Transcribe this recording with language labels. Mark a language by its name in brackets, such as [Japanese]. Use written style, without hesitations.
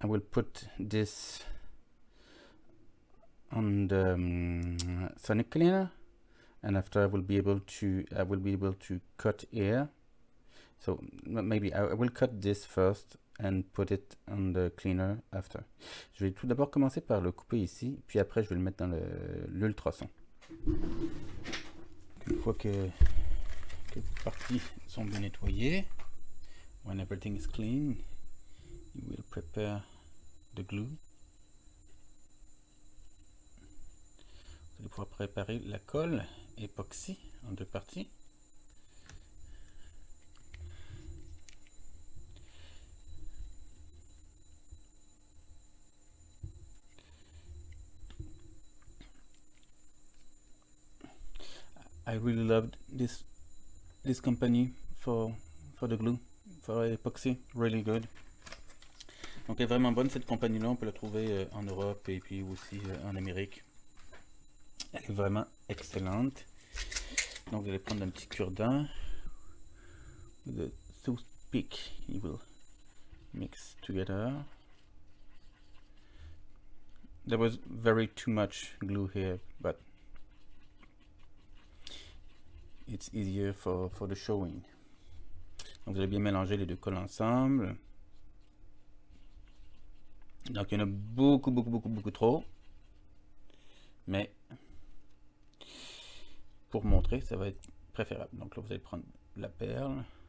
[English] Put this on the sonic cleaner, and after I will be able to cut air. So maybe I will cut this first and put it on the cleaner after. [French] Je vais tout d'abord commencer par le couper ici, puis après je vais le mettre dans l'ultrason. Une fois que les parties sont bien nettoyées, [English] when everything is clean, you will prepare the glue. [French] Vous allez pouvoir préparer la colle époxy en deux parties. [English] I really loved this company for the glue, for epoxy, really good. [French] Donc elle est vraiment bonne cette compagnie-là, on peut la trouver en Europe et puis aussi en Amérique. Elle est vraiment excellente. Donc vous allez prendre un petit cure-dent. [English] With a toothpick, you will mix together. There was very too much glue here, but it's easier for the showing. [French] Donc vous allez bien mélanger les deux colles ensemble. Donc il y en a beaucoup, beaucoup, beaucoup, beaucoup trop, mais pour montrer, ça va être préférable. Donc là, vous allez prendre la perle.